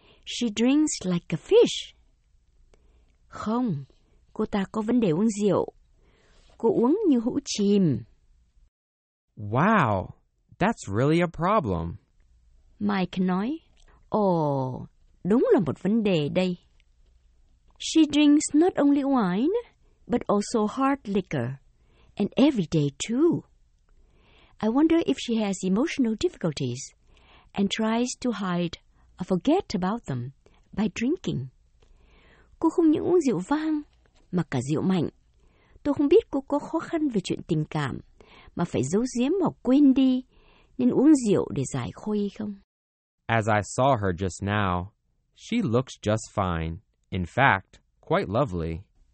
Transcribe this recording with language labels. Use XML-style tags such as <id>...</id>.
<en>She drinks like a fish.</en> <vi>Không, cô ta có vấn đề uống rượu. Cô uống như hũ chìm.</vi> <en>Wow, that's really a problem.</en> <vi>Mike nói, đúng là một vấn đề đây.</vi> <en>She drinks not only wine, but also hard liquor, and every day too. I wonder if she has emotional difficulties and tries to hide or forget about them by drinking.</en> <vi>Cô không những uống rượu vang, mà cả rượu mạnh. Tôi không biết cô có khó khăn về chuyện tình cảm, mà phải giấu giếm hoặc quên đi, nên uống rượu để giải khuây không?</vi> <en>As I saw her just now, she looks just fine. In fact, quite lovely.</en>